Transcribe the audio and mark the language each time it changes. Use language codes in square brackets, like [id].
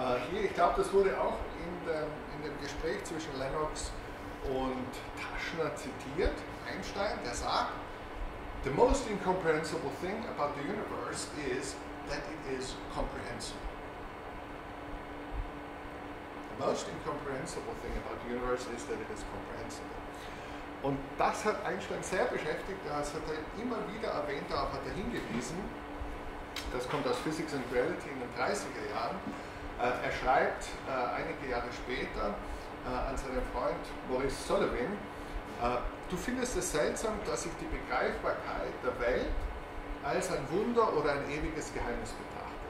[de] Hier, ich glaube, das wurde auch in dem Gespräch zwischen Lennox und Taschner zitiert, Einstein, der sagt, [en] the most incomprehensible thing about the universe is that it is comprehensible. The most incomprehensible thing about the universe is that it is comprehensible. [de] Und das hat Einstein sehr beschäftigt, das hat er immer wieder erwähnt, darauf hat er hingewiesen, das kommt aus Physics and Reality in den 30er Jahren, er schreibt einige Jahre später an seinen Freund Maurice Sullivan, du findest es seltsam, dass ich die Begreifbarkeit der Welt als ein Wunder oder ein ewiges Geheimnis betrachte.